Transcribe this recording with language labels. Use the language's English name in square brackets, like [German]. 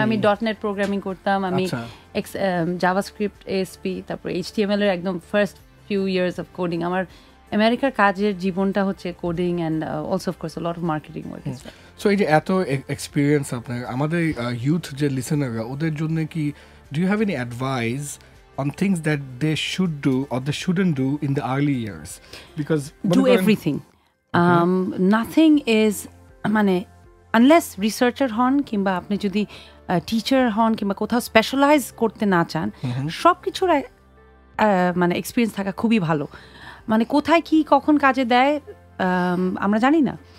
[Bangla] আমি .net programming করতাম আমি জাভাস্ক্রিপ্ট ASP তারপর HTML এর একদম [English] first few years of coding [Bangla] আমার আমেরিকার কাজের জীবনটা হচ্ছে coding [English] and also of course a lot of marketing work as [Bangla] well so এই যে এত এক্সপেরিয়েন্স আপনার আমাদের ইউথ যে লিসেনাররা ওদের জন্য কি [English] do you have any advice on things that they should do or they shouldn't do in the early years? Because do everything. Nothing is [Bangla] মানে unless researcher হন কিংবা আপনি যদি teacher হন কিংবা কোথাও specialize করতে না চান, সব কিছুর মানে experience থাকা খুবই ভালো. মানে কোথায় কি কখন কাজে দেয় আমরা জানি না.